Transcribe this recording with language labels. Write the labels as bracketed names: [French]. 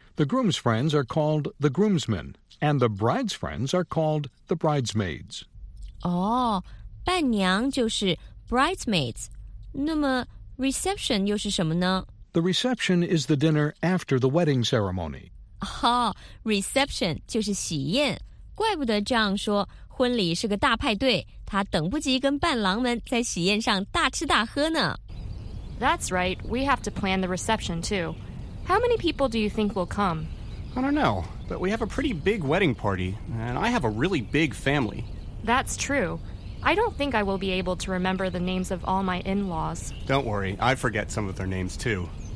[English] The groom's friends are called the groomsmen, and the bride's friends are called the bridesmaids. [Chinese] Oh, 伴娘就是 bridesmaids. 那么 reception 又是什么呢？ [English] The reception is the dinner after the wedding ceremony. [Chinese] Oh, reception 就是喜宴。怪不得 John 说婚礼是个大派对，他等不及跟伴郎们在喜宴上大吃大喝呢。 [English] That's right. We have to plan the reception, too. How many people do you think will come? I don't know, but we have a pretty big wedding party, and I have a really big family. That's true. I don't think I will be able to remember the names of all my in-laws. Don't worry, I forget some of their names, too.